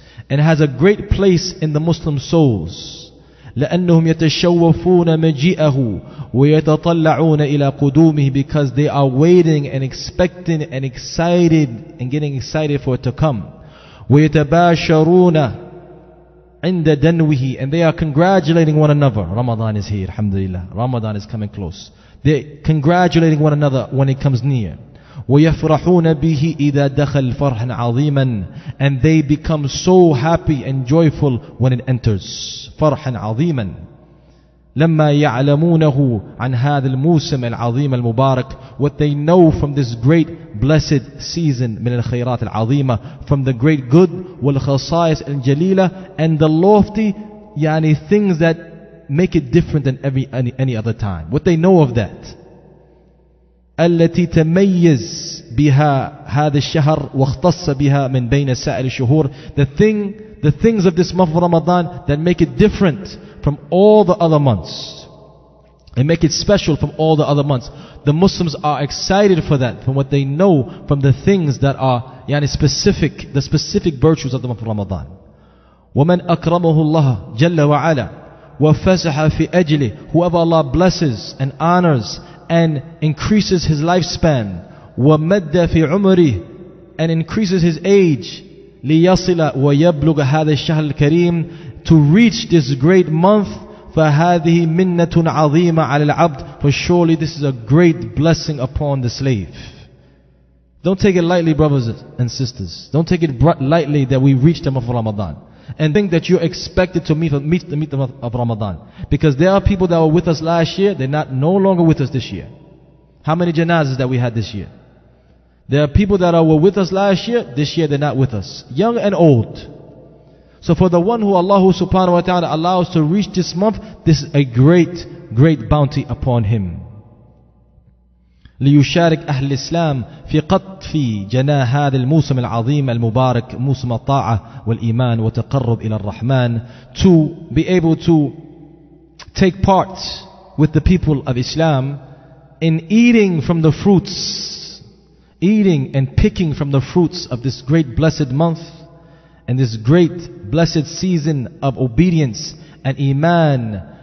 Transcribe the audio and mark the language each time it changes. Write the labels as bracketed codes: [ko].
[en] And has a great place in the Muslim souls. [ar] لأنهم يتشوفون مجيئه ويتطلعون إلى قدومه. [en] Because they are waiting and expecting and excited and getting excited for it to come. [ar] ويتباشرون عند دنوه. [en] And they are congratulating one another. Ramadan is here, alhamdulillah. Ramadan is coming close. They're congratulating one another when it comes near. [ar] وَيَفْرَحُونَ بِهِ إِذَا دَخَلْ فَرْحًا عَظِيمًا. [en] And they become so happy and joyful when it enters. [ar] فَرْحًا عَظِيمًا. لَمَّا يَعْلَمُونَهُ عَنْ هَذَا الْمُوسِمِ الْعَظِيمَ الْمُبَارَكِ. [en] What they know from this great blessed season, [ar] من الخيرات العظيمة, [en] from the great good, [ar] والخصائص الجليلة, [en] and the lofty, يعني things that make it different than any other time. What they know of that. [ar] التي تميز بها هذا الشهر واختص بها من بين سائر الشهور. [en] The things of this month of Ramadan that make it different from all the other months. And make it special from all the other months. The Muslims are excited for that, from what they know from the things that are يعني specific, the specific virtues of the month of Ramadan. [ar] ومن أكرمه الله جل وعلا وفسح في أجله. [en] Whoever Allah blesses and honors and increases his lifespan, [ar] ومد في عمره, [en] and increases his age, [ar] ليصل ويبلغ هذا الشهر الكريم, [en] to reach this great month, [ar] فهذه منة عظيمة على العبد. [en] For surely this is a great blessing upon the slave. Don't take it lightly, brothers and sisters. Don't take it lightly that we reach the month of Ramadan. And think that you're expected to meet the month of Ramadan. Because there are people that were with us last year, they're not no longer with us this year. How many janazas that we had this year? There are people that were with us last year, this year they're not with us. Young and old. So for the one who Allah subhanahu wa ta'ala allows to reach this month, this is a great, great bounty upon him. [ar] ليشارك أهل الإسلام في قطف جناح هذا الموسم العظيم المبارك موسم الطاعة والإيمان وتقرب إلى الرحمن. [en] To be able to take part with the people of Islam in eating from the fruits, eating and picking from the fruits of this great blessed month and this great blessed season of obedience and إيمان.